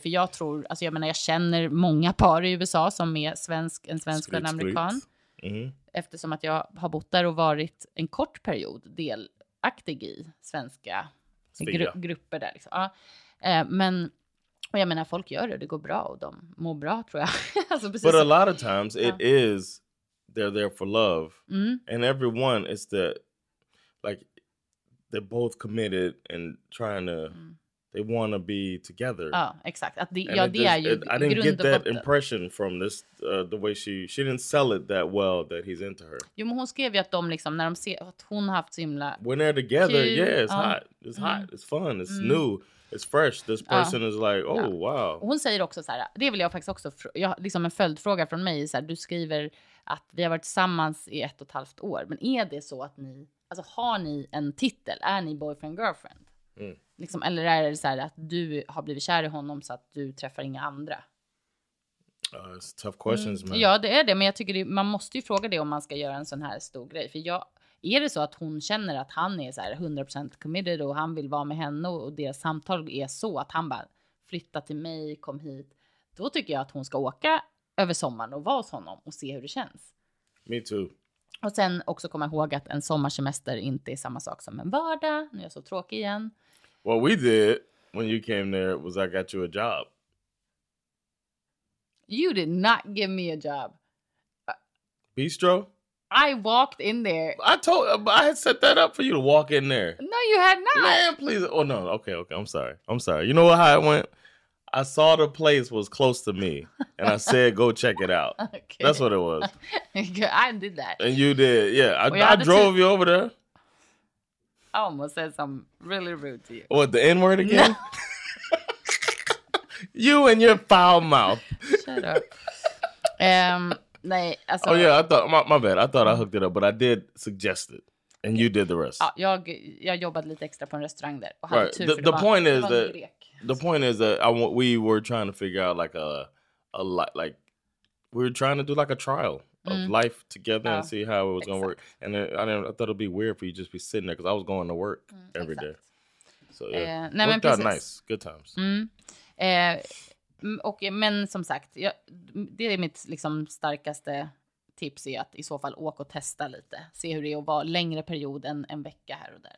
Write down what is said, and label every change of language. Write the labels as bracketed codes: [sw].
[sv] För jag tror, alltså, jag menar, jag känner många par i USA som är en svensk och en amerikan. Eftersom att jag har bott där och varit en kort period delaktig i svenska grupper där. Liksom. Ja. Men och jag menar, folk gör det går bra och de mår bra, tror jag. Alltså, precis. [en] But a lot of times it is they're there for love. Mm. And everyone is the like they're both committed and trying to they want to be together. [sv] Ja, exakt. Att det, ja, det just, är ju [en] I didn't get that impression from this the way she didn't sell it that well that he's into her. [sv] Jo, men hon skrev ju att de liksom när de ser att hon har haft så himla [en] when they're together, kul. Yeah, it's hot. It's hot. It's fun. It's new. It's fresh. This person is like, oh, wow. [sv] Och hon säger också så här, det vill jag faktiskt också, jag, liksom en följdfråga från mig, så här, du skriver att vi har varit tillsammans i 1,5 år, men är det så att ni, alltså har ni en titel? Är ni boyfriend, girlfriend? Mm. Liksom, eller är det så här att du har blivit kär i honom så att du träffar inga andra? [en] It's tough questions, man. [sv] Ja, det är det, men jag tycker man måste ju fråga det om man ska göra en sån här stor grej, för jag... Är det så att hon känner att han är så här 100% committed och han vill vara med henne och deras samtal är så att han bara flyttar till mig, kom hit. Då tycker jag att hon ska åka över sommaren och vara hos honom och se hur det känns. [en] Me too. [sv] Och sen också komma ihåg att en sommarsemester inte är samma sak som en vardag. Nu är jag så tråkig igen. [en] What we did when you came there was I got you a job. You did not give me a job. Bistro? I walked in there. I had set that up for you to walk in there. No, you had not. Man, please. Oh, no. Okay. I'm sorry. You know how it went? I saw the place was close to me, and I said, go check it out. Okay. That's what it was. I did that. And you did. Yeah. I drove you over there. I almost said something really rude to you. What, the N-word again? No. You and your foul mouth. [sv] Shut up. Nej, alltså, [en] oh yeah, I thought my bad. I thought I hooked it up, but I did suggest it, and you did the rest. [sv] Ja, jag jobbade lite extra på en restaurang där. Och [en] right. The point is that we were trying to figure out like a we were trying to do like a trial of life together and see how it was gonna work. And then, I thought it'd be weird for you just be sitting there because I was going to work every day. So yeah, [sv] nej, [en] worked out nice. Good times. Mm. [sv] Och, men som sagt, jag, det är mitt liksom starkaste tips är att i så fall åka och testa lite. Se hur det är att vara längre period än en vecka här och där.